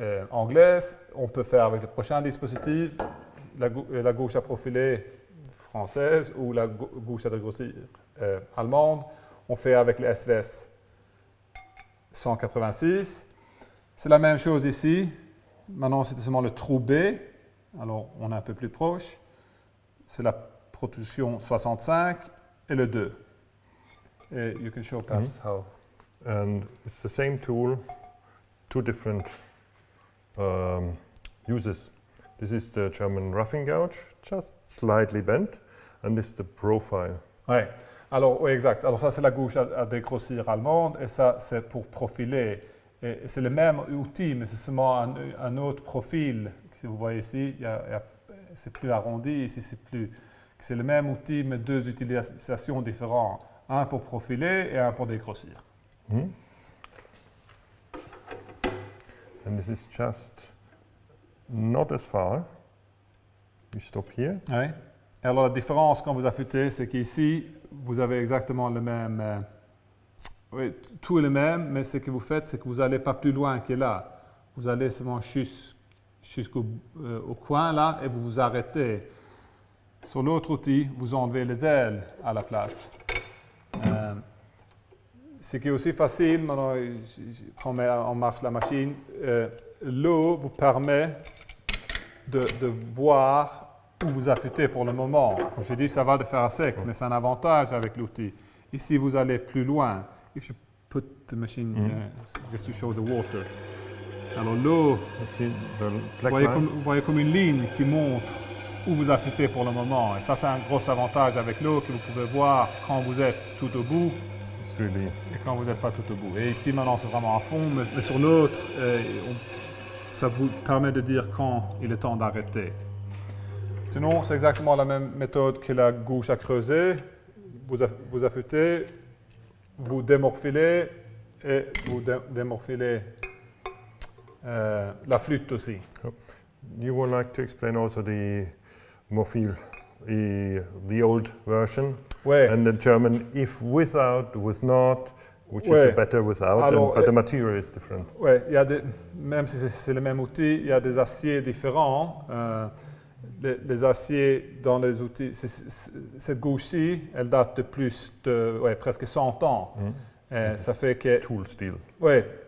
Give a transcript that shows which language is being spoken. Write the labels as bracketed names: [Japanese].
[French] anglaise. On peut faire avec le prochain dispositif la gauche à profiler française ou la gauche à dégrossir allemande. On fait avec le SVS 186. C'est la même chose ici. Maintenant, c'est seulement le trou B. Alors, on est un peu plus proche. C'est la protrusion 65 et le 2. [English] Et you can show perhaps mm-hmm. how. And it's the same tool, two different uses. This is the German roughing gouge, just slightly bent, and this is the profile. [French] Ouais. Alors, oui, exact. Alors, ça, c'est la gauche à dégrossir allemande, et ça, c'est pour profiler. Et c'est le même outil, mais c'est seulement un autre profil. Si vous voyez ici, c'est plus arrondi, ici, c'est plus. C'est le même outil, mais deux utilisations différentes. Un pour profiler et un pour dégrossir. Mm-hmm. [English] And this is just not as far. You stop here. [French] Oui. Alors, la différence quand vous affûtez, c'est qu'ici, vous avez exactement le même. Oui, tout est le même, mais ce que vous faites, c'est que vous n'allez pas plus loin que là. Vous allez seulement jusqu'au au coin là et vous vous arrêtez. Sur l'autre outil, vous enlevez les ailes à la place. Ce qui est aussi facile, maintenant je prends en marche la machine, l'eau vous permet de voir où vous affûtez pour le moment. J'ai dit ça va de faire à sec, mais c'est un avantage avec l'outil. Ici, vous allez plus loin. [English] If you put the machine just to show the water. [French] Alors l'eau, vous voyez comme une ligne qui montre où vous affûtez pour le moment. Et ça, c'est un gros avantage avec l'eau que vous pouvez voir quand vous êtes tout au bout [English] really [French] et quand vous n'êtes pas tout au bout. Et ici, maintenant, c'est vraiment à fond, mais sur l'autre, ça vous permet de dire quand il est temps d'arrêter. Sinon, c'est exactement la même méthode que la gauche à creuser. Vous affûtez, vous démorphilez et vous démorphilez la flûte aussi. Oh. [English] You would like to explain also the morphile, the old version, [French] ouais. [English] And the German if without, with not, which ouais. Is the better without, alors, and, but the material is different. [French] Ouais, il y a des, même si c'est le même outil, il y a des aciers différents. Les aciers dans les outils, cette gauche-ci, elle date de plus de ouais, presque 100 ans. Mm. Ça fait que. [English] Tool steel. [French] Oui.